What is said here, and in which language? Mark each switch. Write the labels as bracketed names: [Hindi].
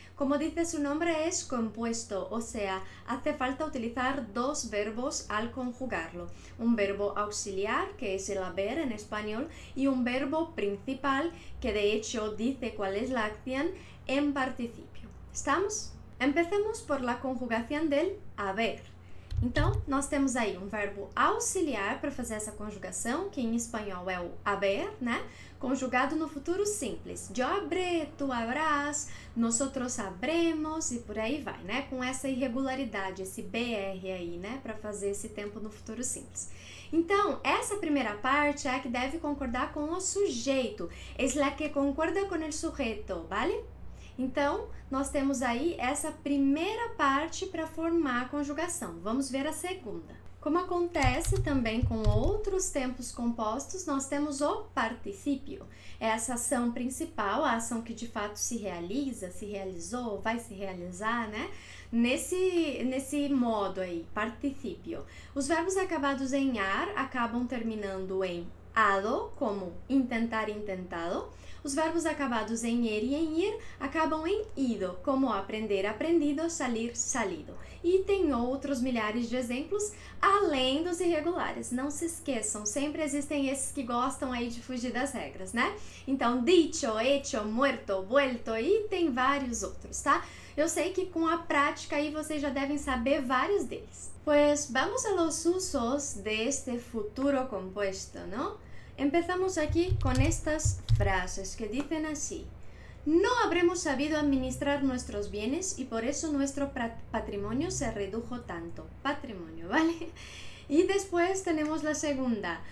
[Spanish] Como dice su nombre, es compuesto, o sea, hace falta utilizar dos verbos al conjugarlo. Un verbo auxiliar, que es el haber en español, y un verbo principal, que de hecho dice cuál es la acción, en participio. ¿Estamos? Empecemos por la conjugación del haber. [Portuguese] Então, nós temos aí um verbo auxiliar para fazer essa conjugação, que em espanhol é o haber, né? Conjugado no futuro simples. [Spanish] Yo habré, tú habrás, nosotros habremos [Portuguese] e por aí vai, né? Com essa irregularidade, esse BR aí, né? Para fazer esse tempo no futuro simples. Então, essa primeira parte é a que deve concordar com o sujeito. [Spanish] Es la que concorda con el sujeto, vale? [Portuguese] Então, nós temos aí essa primeira parte para formar a conjugação. Vamos ver a segunda. Como acontece também com outros tempos compostos, nós temos o participio. É essa ação principal, a ação que de fato se realiza, se realizou, vai se realizar, né? Nesse modo aí, participio. Os verbos acabados em ar acabam terminando em ado, como intentar, intentado. Os verbos acabados em er e em ir acabam em ido, como aprender, aprendido, salir, salido. E tem outros milhares de exemplos, além dos irregulares. Não se esqueçam, sempre existem esses que gostam aí de fugir das regras, né? Então, [Spanish] dicho, hecho, muerto, vuelto [Portuguese] e tem vários outros, tá? Eu sei que com a prática aí vocês já devem saber vários deles. [Spanish] Pues vamos a los usos de este futuro compuesto, ¿no? Empezamos aquí con estas frases que dicen así. No habremos sabido administrar nuestros bienes y por eso nuestro patrimonio se redujo tanto. Patrimonio, ¿vale? Y después tenemos la segunda.